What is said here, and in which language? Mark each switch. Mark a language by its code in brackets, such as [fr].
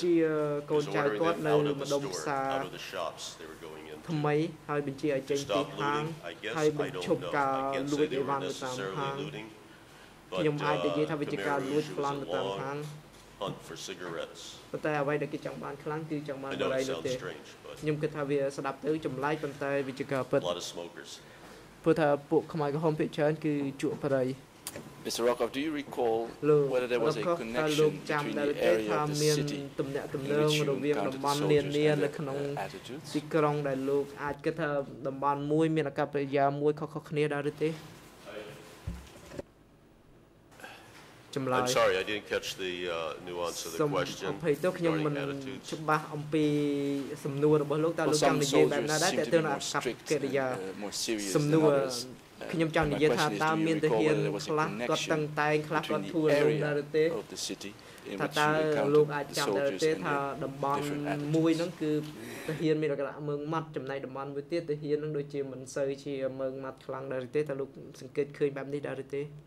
[en] He was ordering them out of the store, out of the shops they were going into. To stop looting, I guess, I don't know. I can't say they were necessarily looting. But Khmer Rouge was a long hunt for cigarettes. I know it sounds strange. [km] ខ្ញុំគិតថាវាស្ដាប់ទៅចម្លែកប៉ុន្តែវាជាការពិត ព្រោះថាពួកខ្មែរក្រហមភាគច្រើនគឺជក់ប្រៃ [en] Mr. Rockoff, do you recall whether there was a connection between the area of the city in which you encountered the soldiers and their attitudes? [km] គិតថាតំបន់មួយមានអាកប្បកិរិយាមួយខុសៗគ្នាដែរឬទេ [en] I'm sorry, I didn't catch the nuance of the question regarding attitudes. Well, some soldiers seem to be more strict and more serious than others. My question is, do you recall whether there was a connection between the area of the city in which you encountered the soldiers and their different attitudes? [km] តាហ៊ានមានលក្ខណៈមើងម៉ាត់ចំណែកតំបន់មួយទៀតតាហ៊ាននឹងដូចជាមិនសូវជាមើងម៉ាត់ខ្លាំងដែរទេតែលោកសង្កេតឃើញបែបនេះដែរឬទេ